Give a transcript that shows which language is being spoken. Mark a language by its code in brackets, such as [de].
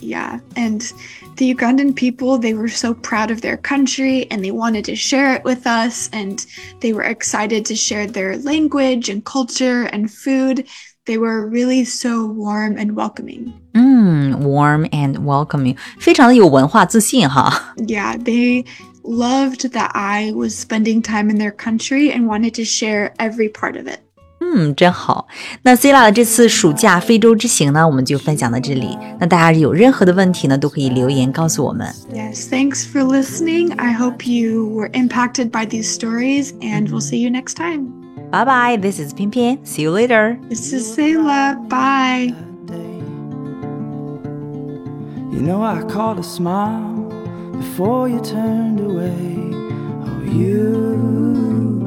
[en] Yeah, and the Ugandan people, they were so proud of their country and they wanted to share it with us and they were excited to share their language and culture and food. They were really so warm and welcoming. Warm and welcoming. [zh] 非常的有文化自信哈。 [en] Yeah, they loved that I was spending time in their country and wanted to share every part of it. [zh] 嗯，真好。那 Cilla 的这次暑假非洲之行呢，我们就分享到这里。那大家有任何的问题呢，都可以留言告诉我们。 [en] Yes, thanks for listening. I hope you were impacted by these stories, and we'll see you next time. Bye bye. This is Pian Pian. See you later. This is Cilla. Bye. You know I caught a smile before you turned away. Oh, you.